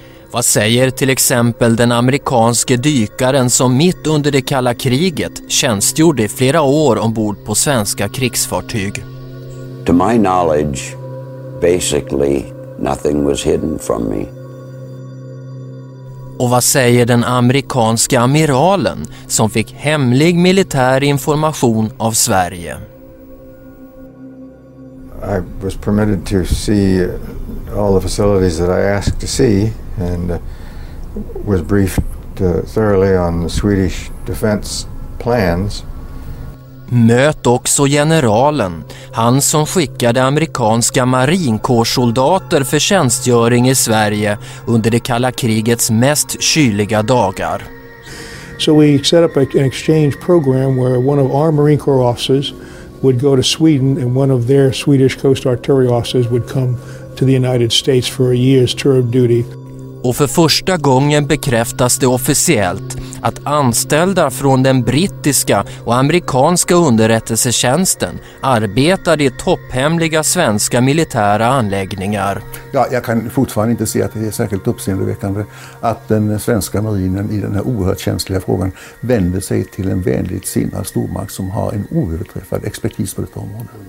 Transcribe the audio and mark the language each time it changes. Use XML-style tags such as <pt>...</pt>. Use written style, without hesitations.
<sv>Vad säger till exempel den amerikanske dykaren som mitt under det kalla kriget tjänstgjorde i flera år ombord på svenska krigsfartyg?</sv> <en>To my knowledge, basically nothing was hidden from me.</en> <sv>Och vad säger den amerikanska amiralen som fick hemlig militär information av Sverige?</sv> <en>I was permitted to see all the facilities that I asked to see and was briefed thoroughly on the Swedish defense plans.</en> <sv>Möt också generalen, han som skickade amerikanska marinkårssoldater för tjänstgöring i Sverige under det kalla krigets mest kyliga dagar.</sv> <en>So we set up an exchange program where one of our Marine Corps officers would go to Sweden and one of their Swedish Coast Artillery officers would come to the United States for a year's tour of duty.</en> <sv>Och för första gången bekräftas det officiellt att anställda från den brittiska och amerikanska underrättelsetjänsten arbetade i topphemliga svenska militära anläggningar. Ja, jag kan fortfarande inte se att det är särskilt uppseendeväckande att den svenska marinen i den här oerhört känsliga frågan vänder sig till en vänligt sinnad stormakt som har en oöverträffad expertis på detta område.</sv>